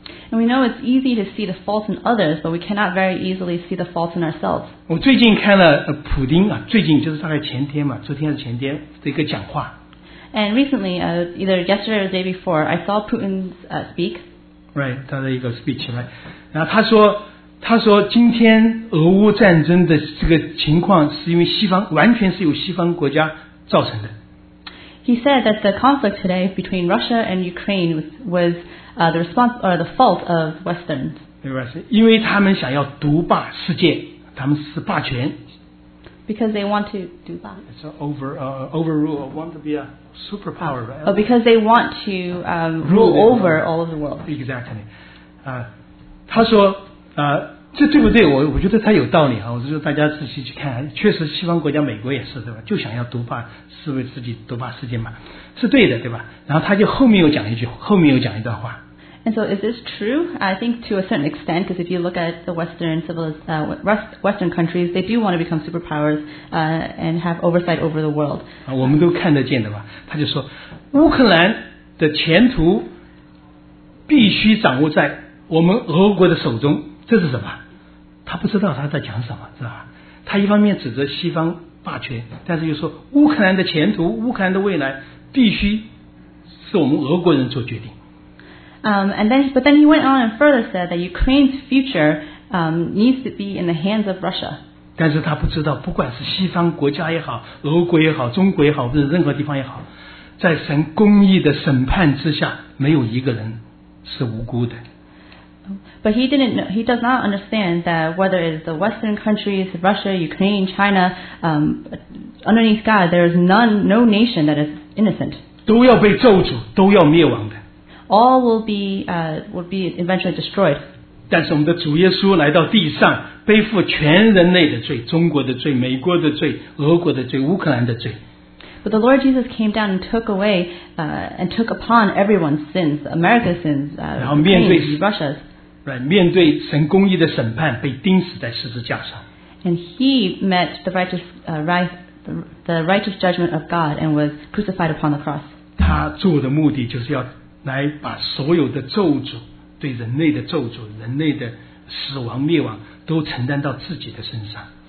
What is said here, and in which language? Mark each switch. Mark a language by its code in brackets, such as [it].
[en] And we know it's easy to see the faults in others, but we cannot very easily see the faults in ourselves. [zh] 我最近看了普丁啊，最近就是大概前天嘛，昨天还是前天的一个讲话。 [en] And recently, either yesterday or the day before, I saw Putin's speak. [zh] Right, 他的一个 speech, right? 然后他说今天俄乌战争的这个情况是因为西方，完全是由西方国家造成的。 [en] He said that the conflict today between Russia and Ukraine was the response or the fault of Western. [zh] 因为他们想要独霸世界，他们是霸权。 [en] Because they want to [zh] 独霸。 [en] It's overrule, want to be a superpower, right? Oh, because they want to rule over all of the world. [zh] Exactly. 他说这对不对？我觉得他有道理哈。我就说大家仔细去看，确实西方国家美国也是对吧？就想要独霸，是为自己独霸世界嘛，是对的对吧？然后他就后面又讲一段话。 [en] And so is this true? I think to a certain extent, because if you look at the Western Western countries, they do want to become superpowers, and have oversight over the world. [zh] 我们都看得见的吧？他就说，乌克兰的前途必须掌握在我们俄国的手中。这是什么？他不知道他在讲什么，是吧？他一方面指责西方霸权，但是又说乌克兰的前途、乌克兰的未来必须是我们俄国人做决定。 [en] And then he went on and further said that Ukraine's future needs to be in the hands of Russia. [zh] 但是他不知道，不管是西方国家也好，俄国也好，中国也好，或者任何地方也好，在神公义的审判之下，没有一个人是无辜的。 [en] But he didn't know, he does not understand that whether it is the Western countries, Russia, Ukraine, China, underneath God, there is no nation that is innocent. [zh] 都要被咒诅，都要灭亡的。 [en] All will be eventually destroyed. [zh] 但是我们的主耶稣来到地上，背负全人类的罪，中国的罪，美国的罪，俄国的罪，乌克兰的罪。 [en] But the Lord Jesus came down and took away and took upon everyone's sins, America's sins, Russia's. [zh] Right, 面对神公义的审判，被钉死在十字架上。 [en] And he met the righteous judgment of God and was crucified upon the cross. [zh] 他做的目的就是要来把所有的咒诅，对人类的咒诅，人类的死亡灭亡，都承担到自己的身上。